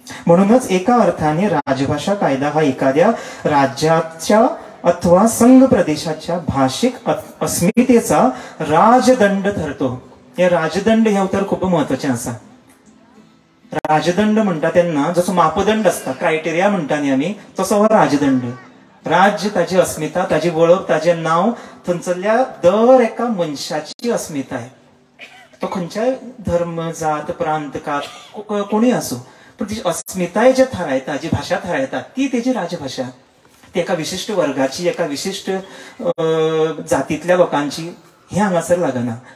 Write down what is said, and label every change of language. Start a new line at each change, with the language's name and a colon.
Marathi: म्हणूनच एका अर्थाने राजभाषा कायदा हा एखाद्या राज्याच्या अथवा संघ प्रदेशाच्या भाषिक अस्मितेचा राजदंड ठरतो.
Konkani: हे राजदंड हे उतर खूप महत्वाचे असा. राजदंड म्हणता त्यांना जसं मापदंड असता, क्रायटेरिया म्हणता नी आम्ही, तसं हो राजदंड. राज्य ताची अस्मिता, ताची ओळख, ताचे नाव थंचल्या दर एका मनशाची अस्मिताय. तो खंयच्याय धर्म, जात, प्रांत, कात कोणी असू, पण तिची अस्मिताय जे थारायता, जी भाषा थारायता, ती तेजी राजभाषा. ती एका विशिष्ट वर्गाची, एका विशिष्ट जातीतल्या लोकांची हे हांगासर लागना.